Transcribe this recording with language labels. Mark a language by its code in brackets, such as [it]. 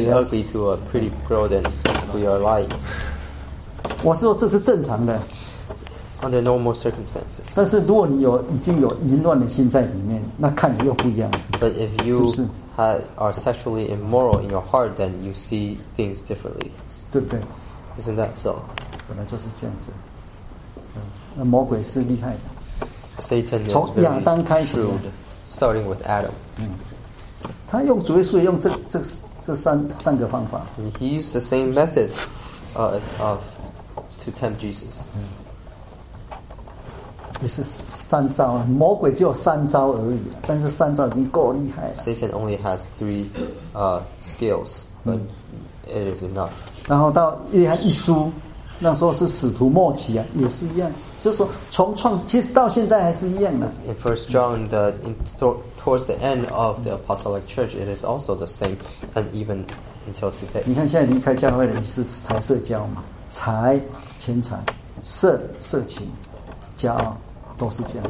[en] she's ugly to a pretty girl than we are lying [zh] 我是说这是正常的 [en] under normal circumstances [zh] 但是如果你已经有淫乱的心在里面那看你又不一样 [en] But if you [zh] 是不是 [en] are sexually immoral in your heart then you see things differently [zh] 对不对 [en] Isn't that so [zh] 本来就是这样子魔鬼是厉害的。 [en] Satan is [zh] 从亚当开始 [en] starting with Adam、 [zh] 他用主耶稣用 这三个方法 [en] he used the same method of to tempt Jesus、 [zh] 也是三招，魔鬼只有三招而已，但是三招已经够厉害了。 [en] Satan only has three skills but、it is enough。 [zh] 然后到约翰一书，那时候是使徒末期啊，也是一样，就是说从创其实到现在还是一样的。 [en] In First John, the towards the end of the Apostolic Church, it is also the same, and even until today. [zh] 你看现在离开教会的是财色交嘛，财钱财，色色情，骄傲，都是这样。